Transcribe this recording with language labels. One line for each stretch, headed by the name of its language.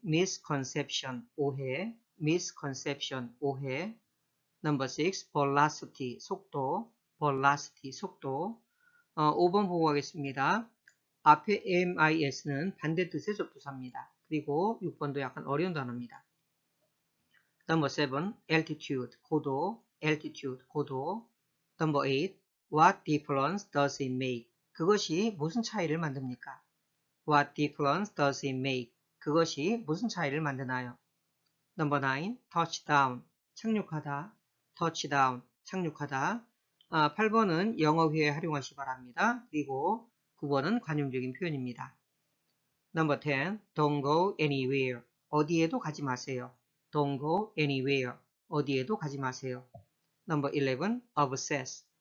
English: Misconception. 오해. Misconception. 오해. Number 6. Velocity. 속도. Velocity. 속도.
Korean: 5번 보고 가겠습니다. 앞에 MIS는 반대 뜻의 접두사입니다. 그리고 6번도 약간 어려운 단어입니다.
English: Number 7, altitude, 고도, altitude, 고도. Number 8, what difference does it make?
Korean: 그것이 무슨 차이를 만듭니까?
English: What difference does it make?
Korean: 그것이 무슨 차이를 만드나요?
English: Number 9, touchdown, 착륙하다, touchdown, 착륙하다.
Korean: 8번은 영어 회화에 활용하시기 바랍니다. 그리고 9번은 관용적인 표현입니다.
English: Number 10. Don't go anywhere.
Korean: 어디에도 가지 마세요.
English: Don't go anywhere.
Korean: 어디에도 가지 마세요.
English: Number 11. Obsess.